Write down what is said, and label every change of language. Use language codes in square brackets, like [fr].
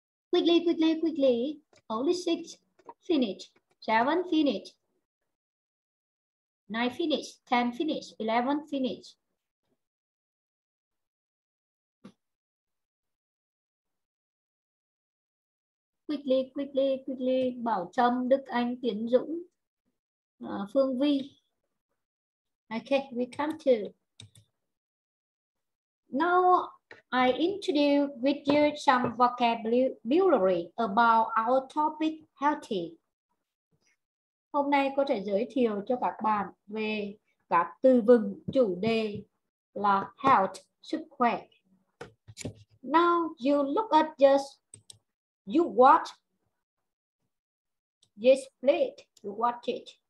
[en] Quickly. Only 6 finish. 7 finish. 9 finish. 10 finish. 11 finish. Quickly. [vi] Bảo Trâm, Đức Anh, Tiến Dũng, Phương Vi. [en] Okay, we come to. Now I introduce with you some vocabulary about our topic healthy. [vi] Hôm nay có thể giới thiệu cho các bạn về các từ vựng chủ đề là health, sức khỏe. [en] Now you look at just you watch this plate, you watch it.